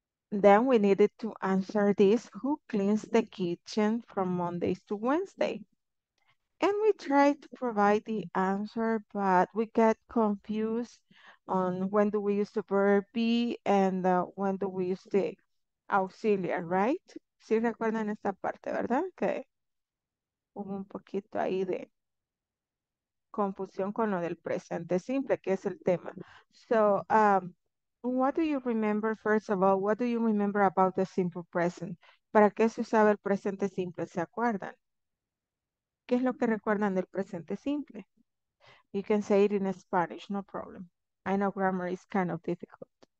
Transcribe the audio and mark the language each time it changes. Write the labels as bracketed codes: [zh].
[en] Then we needed to answer this: who cleans the kitchen from Mondays to Wednesday? And we tried to provide the answer, but we got confused on when do we use the verb be and when do we use the auxiliar, right? [es] Sí, ¿sí recuerdan esta parte, verdad? Que hubo un poquito ahí de confusión con lo del presente simple, que es el tema. [en] So, what do you remember, first of all? What do you remember about the simple present? [es] ¿Para qué se usaba el presente simple? ¿Se acuerdan? ¿Qué es lo que recuerdan del presente simple? [en] You can say it in Spanish, no problem. I know grammar is kind of difficult.